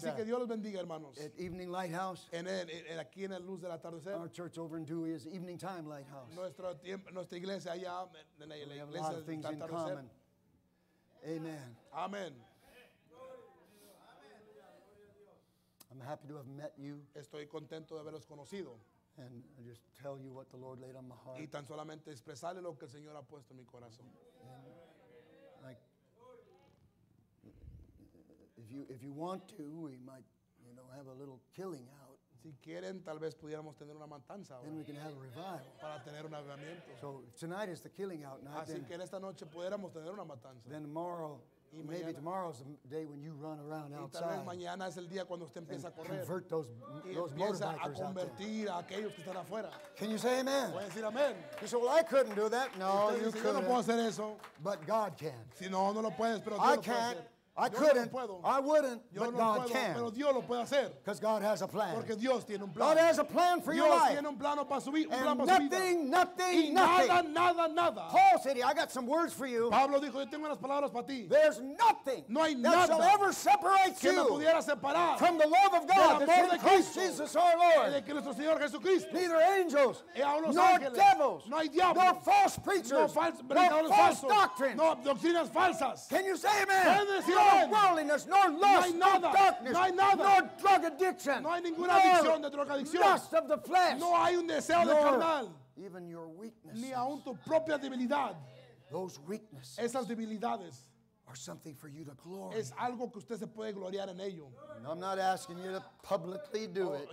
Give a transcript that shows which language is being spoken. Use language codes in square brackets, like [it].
[es] así que Dios los bendiga, hermanos. [en] At Evening Lighthouse. [es] En aquí en el Luz del Atardecer. [en] Our church over in Dewey is Evening Time Lighthouse. [es] Nuestra iglesia allá en la iglesia del Atardecer. [en] We have a lot of things in common. Amen. Amen. I'm happy to have met you. [es] Estoy contento de haberlos conocido. [en] And I just tell you what the Lord laid on my heart. [es] Y tan solamente expresarle lo que el Señor ha puesto en mi corazón. [en] If you want to, we might, you know, have a little killing out. [es] Si quieren, tal vez pudiéramos tener una matanza ahora. [en] Then we can have a revival. [es] Para tener un avivamiento. [en] So tonight is the killing out night. [es] Así que esta noche pudiéramos tener una matanza. [en] Then tomorrow, maybe tomorrow's the day when you run around outside. [es] Y tal vez mañana es el día cuando usted empieza a correr. [en] Convert those motorbikers out there. [es] A aquellos que están afuera. [en] Can you say amen? [es] ¿Puedes decir amen? [en] You say, "Well, I couldn't do that." No, you couldn't. [es] Yo no puedo hacer eso. [en] But God can. [es] Si no, no lo puedes, pero Dios lo puede. [en] I couldn't, I wouldn't, but God can. [es] Pero Dios lo puede hacer. [en] Because God has a plan. [es] Porque Dios tiene un plan. [en] God has a plan for your life. [es] Dios tiene un plano para su vida. [en] And nothing, nothing, nothing. [es] Nada, nada, nada. [en] Paul said, "I got some words for you." [es] Pablo dijo, "Yo tengo unas palabras para ti." [en] There's nothing. [es] No hay nada. [en] That shall ever separate you. [es] Que me pudiera separar. [en] From the love of God. [es] Del amor de Cristo. [en] Jesus our Lord. [es] De nuestro Señor Jesucristo. [en] Neither angels. Nor devils. [es] No hay diablos. [en] Nor false preachers. [es] No [en] false doctrines. [es] No doctrinas falsas. [en] Can you say amen? [es] No [en] worldliness, nor lust, [es] no [en] nor darkness, [es] no [en] nor drug addiction, [es] no hay ninguna adicción de droga, adicción, [en] lust of the flesh, [es] no hay un deseo de carnal, [en] even your weaknesses, [es] ni aun tu propia debilidad. [en] Those weaknesses, [es] esas debilidades, [en] are something for you to glory. [es] Es algo que usted se puede gloriar en ello. [en] And I'm not asking you to publicly do it.